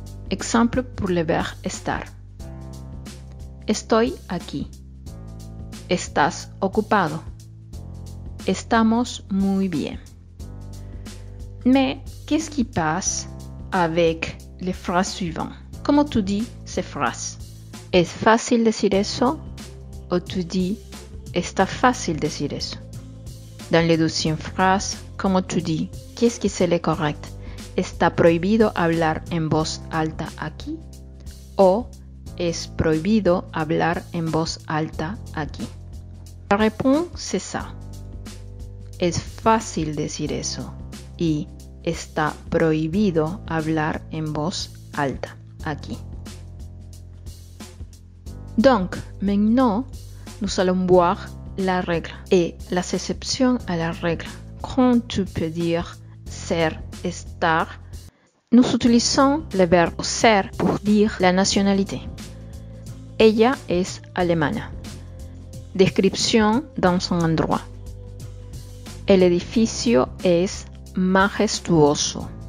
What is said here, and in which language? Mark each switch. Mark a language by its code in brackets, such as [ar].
[fr] Exemple pour le verbe estar. [es] Estoy aquí. Estás ocupado. Estamos muy bien. [fr] Mais qu'est-ce qui passe avec les phrases suivantes? Comment tu dis ces phrases? [es] Es fácil decir eso? O [fr] tu dis [es] está fácil decir eso? [fr] Dans les deuxième phrases, comment tu dis qu'est-ce qui c'est le correct? [es] ¿Está prohibido hablar en voz alta aquí? ¿O es prohibido hablar en voz alta aquí? La respuesta [fr] c'est ça. [es] Es fácil decir eso. Y está prohibido hablar en voz alta aquí. [fr] Donc, maintenant, nous allons voir [es] la regla. Y las excepciones a la regla. [fr] Quand tu peux dire ser, estar. Nous utilisons le verbe ser pour dire la nationalité. [es] Ella es alemana. Descripción [fr] dans un endroit. [es] El edificio es majestuoso.